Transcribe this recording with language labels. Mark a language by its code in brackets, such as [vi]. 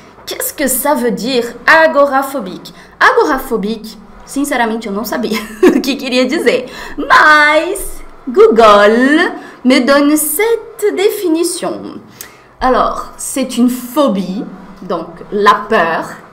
[fr] Qu'est-ce que ça veut dire, agoraphobique? [pt] Agoraphobique, sinceramente, eu não sabia o que queria dizer. Mas [fr] Google me donne cette définition. Alors, c'est une phobie, donc la peur.